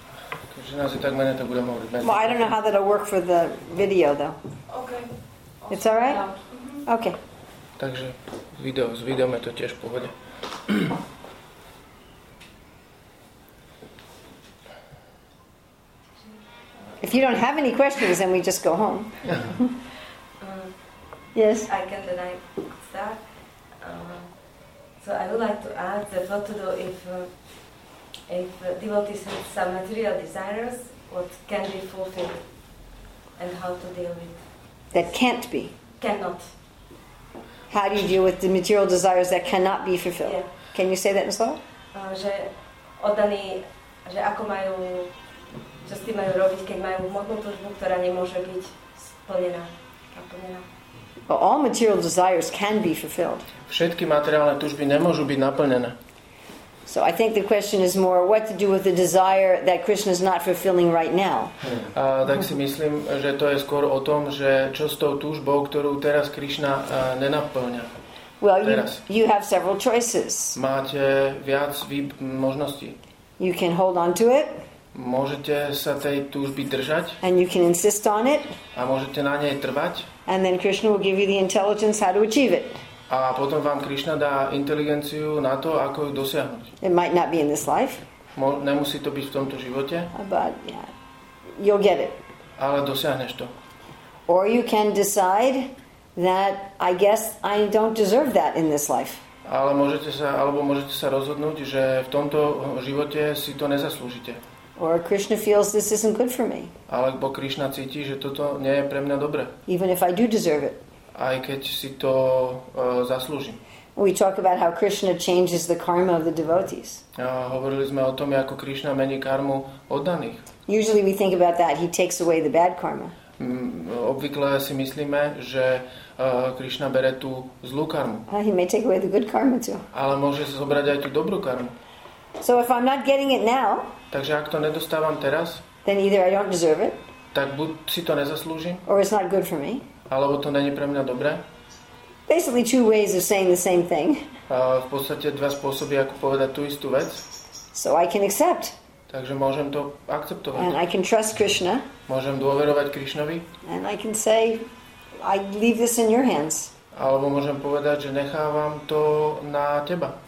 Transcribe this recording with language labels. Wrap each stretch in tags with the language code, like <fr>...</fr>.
<sk>Takže nás je tak menej, tak budeme hovoriť.</sk> <en>Well, I don't know how that'll work for the video though. Okay. It's all right? Okay.</en> <sk>Takže video, s videom je to tiež v pohode.</sk> <en>If you don't have any questions, then we just go home. yes? I can then I start. So I would like to ask that what to do if devotees have some material desires, what can be fulfilled and how to deal with? That can't be. Cannot. How do you deal with the material desires that cannot be fulfilled? Yeah. Can you say that in slow?</en> <sk>Že oddaní, že ako majú, čo s tým majú robiť, keď majú hmotnú túžbu, ktorá nemôže byť splnená.</sk> <en>All material desires can be fulfilled.</en> <sk>Všetky materiálne túžby nemôžu byť naplnené.</sk> <en>So I think the question is more what to do with the desire that Krishna is not fulfilling right now.</en> <sk>Tak si myslím, že to je skôr o tom, že čo s tou túžbou, ktorú teraz Krishna nenapĺňa.</sk> <en>Well, you have several choices.</en> <sk>Máte viac možností.</sk> <en>You can hold on to it.</en> <sk>Môžete sa tej túžby držať.</sk> <en>And you can insist on it.</en> <sk>A môžete na nej trvať.</sk> <en>And then Krishna will give you the intelligence how to achieve it.</en> <sk>A potom vám Krishna dá inteligenciu na to, ako ju dosiahnuť.</sk> <en>It might not be in this life.</en> <sk>Nemusí to byť v tomto živote.</sk> <en>But yeah, you'll get it.</en> <sk>Ale dosiahneš to.</sk> <en>Or you can decide that I guess I don't deserve that in this life.</en> <sk>Ale môžete sa rozhodnúť, že v tomto živote si to nezaslúžite.</sk> <en>Or Krishna feels this isn't good for me.</en> <sk>Alebo Krishna cíti, že toto nie je pre mňa dobré.</sk> <en>Even if I do deserve it.</en> <sk>Aj keď si to zaslúžim.</sk> <en>We talk about how Krishna changes the karma of the devotees.</en> <sk>Hovorili sme o tom, ako Krishna mení karmu oddaných.</sk> <en>Usually we think about that he takes away the bad karma.</en> <sk>Obvykle si myslíme, že Krishna bere tú zlú karmu.</sk> <en>He may take away the good karma too.</en> <sk>Ale môže zobrať aj tú dobrú karmu.</sk> <en>So if I'm not getting it now,</en> <sk>takže ak to nedostávam teraz,</sk> <en>then either I don't deserve it,</en> <sk>tak buď si to nezaslúžim,</sk> <en>or it's not good for me.</en> <sk>Alebo to není pre mňa dobré.</sk> <en>Basically two ways of saying the same thing.</en> <sk>V podstate dva spôsoby, ako povedať tú istú vec.</sk> <en>So I can accept.</en> <sk>Takže môžem to akceptovať.</sk> <en>And I can trust Krishna.</en> <sk>Môžem dôverovať Krishnovi.</sk> <en>And I can say, I leave this in your hands.</en> <sk>Alebo môžem povedať, že nechávam to na teba.</sk>